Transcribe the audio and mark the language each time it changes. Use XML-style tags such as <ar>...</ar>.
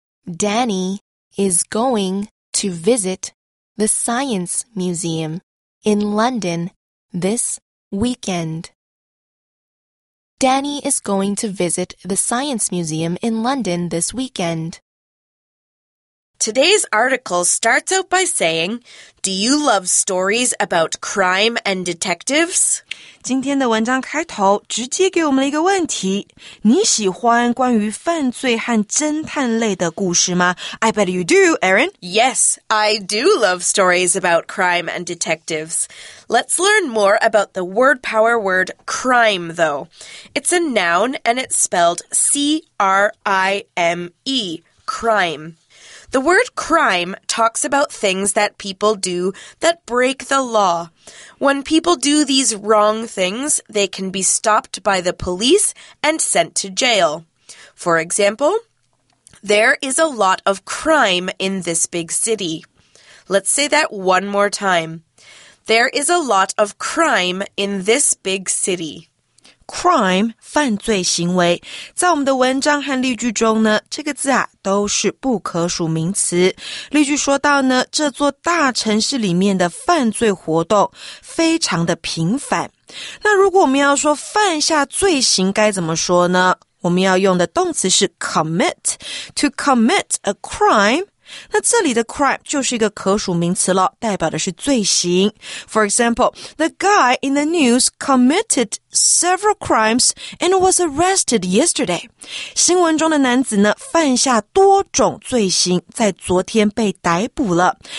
<en>Danny is going to visit the Science Museum in London this weekend. Danny is going to visit the Science Museum in London this weekend. Today's article starts out by saying, Do you love stories about crime and detectives?</en> <zh>今天的文章开头直接给我们了一个问题。你喜欢关于犯罪和侦探类的故事吗?</zh> <en>I bet you do, Erin. Yes, I do love stories about crime and detectives. Let's learn more about the word power word crime, though. It's a noun and it's spelled C-R-I-M-E, crime. The word crime talks about things that people do that break the law. When people do these wrong things, they can be stopped by the police and sent to jail. For example, there is a lot of crime in this big city. Let's say that one more time. There is a lot of crime in this big city.</en> <zh>Crime, 犯罪行为。在我们的文章和例句中呢，这个字啊，都是不可数名词。例句说到呢，这座大城市里面的犯罪活动非常的频繁。那如果我们要说犯下罪行该怎么说呢？我们要用的动词是</zh> <en>commit, to commit a crime.</en> <zh>那这里的 crime 就是一个可数名词了，代表的是罪行。</zh> <en>For example, the guy in the news committed several crimes and was arrested yesterday.</en> <zh>新闻中的男子呢，犯下多种罪行，在昨天被逮捕了。</zh>